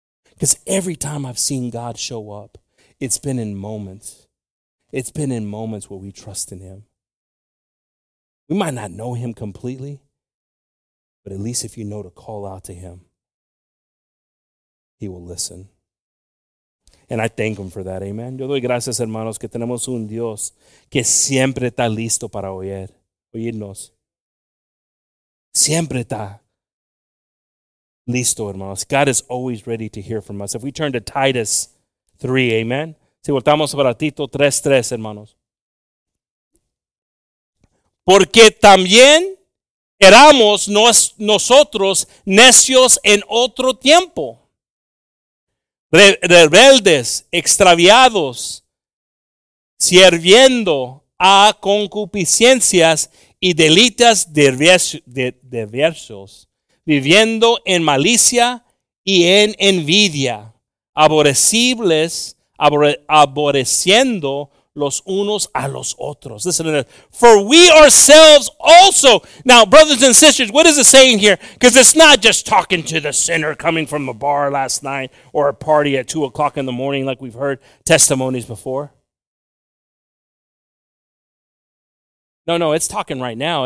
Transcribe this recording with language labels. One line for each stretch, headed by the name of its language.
English: Because every time I've seen God show up, it's been in moments. It's been in moments where we trust in Him. We might not know Him completely, but at least if you know to call out to Him, He will listen. And I thank Him for that, amen.
Spanish: Yo doy gracias, hermanos, que tenemos un Dios que siempre está listo para oírnos. Siempre está listo, hermanos.
English: God is always ready to hear from us. If we turn to Titus 3, amen.
Spanish: Si voltamos para Tito 3:3, hermanos. Porque también éramos nosotros necios en otro tiempo. Rebeldes, extraviados, sirviendo a concupiscencias y delitos diversos, viviendo en malicia y en envidia, aborrecibles, aborreciendo los unos a los otros.
English: Listen to this. For we ourselves also. Now, brothers and sisters, what is it saying here? Because it's not just talking to the sinner coming from a bar last night or a party at 2:00 in the morning like we've heard testimonies before. No, it's talking right now.